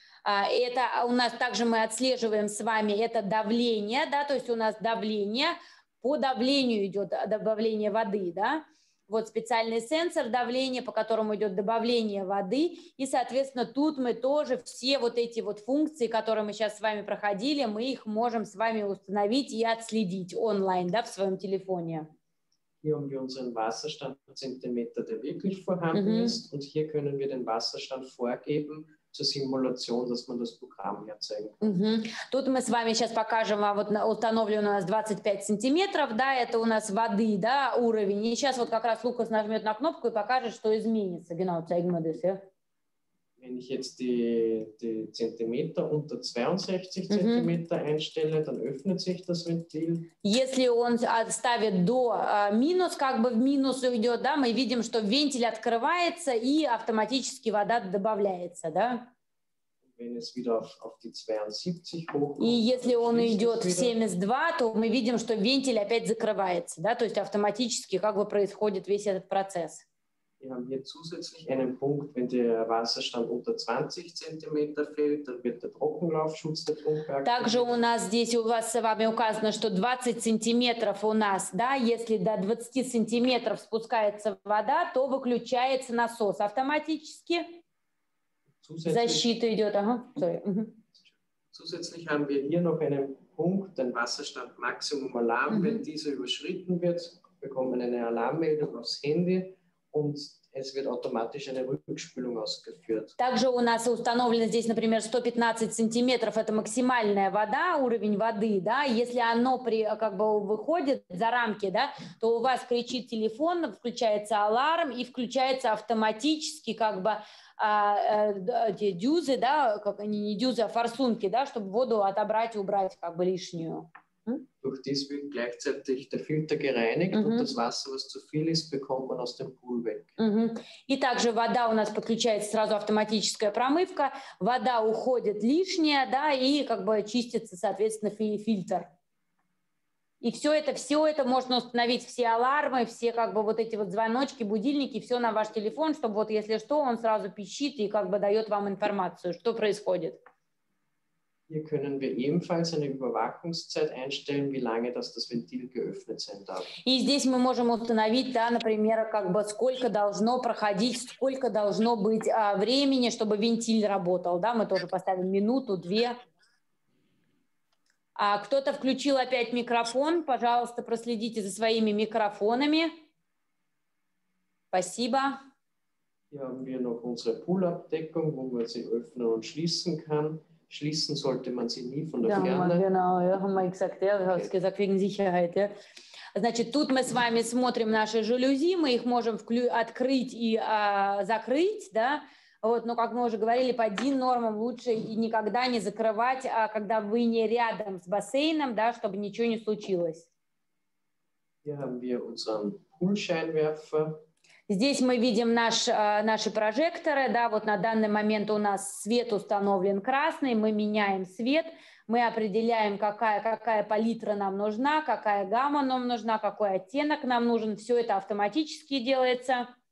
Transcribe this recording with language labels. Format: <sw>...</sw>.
<ru>Это у нас также мы отслеживаем с вами это давление, да, то есть у нас давление, по давлению идет добавление воды, да. Вот специальный сенсор давления, по которому идет добавление воды. И, соответственно, тут мы тоже все вот эти вот функции, которые мы сейчас с вами проходили, мы их можем с вами установить и отследить онлайн, да, в своем телефоне.</ru> <de>Hier haben wir unseren Wasserstand pro Zentimeter, der wirklich vorhanden ist. Und hier können wir den Wasserstand vorgeben zur Simulation, dass man das Programm hier zeigen kann.</de> <ru>Тут мы с вами сейчас покажем, вот установлено у нас 25 сантиметров, да, это у нас воды, да, уровень. И сейчас вот как раз Лукас нажмет на кнопку и покажет, что изменится.</ru> <de>Genau, zeigen wir das, ja. Wenn ich jetzt die Zentimeter unter 62 Zentimeter einstelle, dann öffnet sich das Ventil.</de> <ru>Если он ставит до минус, как бы в минус идет, да, мы видим, что вентиль открывается и автоматически вода добавляется, да?</ru> <de>Wenn es wieder auf die 72 hoch.</de> <ru>И если он идет в 72, то мы видим, что вентиль опять закрывается, да, то есть автоматически как бы происходит весь этот процесс.</ru> <de>Wir haben hier zusätzlich einen Punkt, wenn der Wasserstand unter 20 cm fällt, dann wird der Trockenlaufschutz der Pumpe aktiviert.</de> <ru>Также у нас здесь у вас с вами указано, что 20 сантиметров у нас, да, если до 20 сантиметров спускается вода, то выключается насос автоматически.</ru> <de>Zusätzlich,</de> <ru>Защита идет, ага, sorry.</ru> <de>Zusätzlich haben wir hier noch einen Punkt, den Wasserstand Maximum Alarm, mhm. wenn dieser überschritten wird, bekommen eine Alarmmeldung aufs Handy und es wird automatisch eine Rückspülung ausgeführt.</de> <ru>Также у нас установлено здесь, например, 115 сантиметров, это максимальная вода, уровень воды, да, если оно при, как бы выходит за рамки, да, то у вас кричит телефон, включается аларм и включается автоматически, как бы, эти дюзы, да, как они не дюзы, а форсунки, да, чтобы воду отобрать, убрать, как бы лишнюю.</ru> <de>Durch dies wird gleichzeitig der Filter gereinigt mm-hmm. und das Wasser, was zu viel ist, bekommt man aus dem Pool weg. Mm-hmm.</de> <ru>И также вода у нас подключается сразу автоматическая промывка, вода уходит лишняя, да, и как бы чистится, соответственно, фильтр. И все это можно установить, все алармы, все как бы вот эти вот звоночки, будильники, все на ваш телефон, чтобы вот если что, он сразу пищит и как бы дает вам информацию, что происходит.</ru> <de>Hier können wir ebenfalls eine Überwachungszeit einstellen, wie lange das Ventil geöffnet sein darf.</de> <ru>И здесь мы можем установить, да, например, как бы сколько должно проходить, сколько должно быть времени, чтобы вентиль работал, да, мы тоже поставим минуту, две. А кто-то включил опять микрофон, пожалуйста, проследите за своими микрофонами. Спасибо.</ru> <de>Hier haben wir noch unsere Poolabdeckung, wo man sie öffnen und schließen kann. Schließen sollte man sie nie von der Ferne. Ja, genau, ja, haben wir gesagt, ja, okay. gesagt wegen Sicherheit, ja.</de> <ru>Значит, тут мы с вами смотрим наши жалюзи, мы их можем открыть и закрыть, да. Вот, но, как мы уже говорили, по DIN нормам лучше и никогда не закрывать, когда вы не рядом с бассейном, да, чтобы ничего не случилось.</ru> <de>Hier haben wir unseren Poolscheinwerfer.</de> <ru>Здесь мы видим наши прожекторы, да, вот на данный момент у нас свет установлен красный, мы меняем свет, мы определяем, какая палитра нам нужна, какая гамма нам нужна, какой оттенок нам нужен, все это автоматически делается.</ru>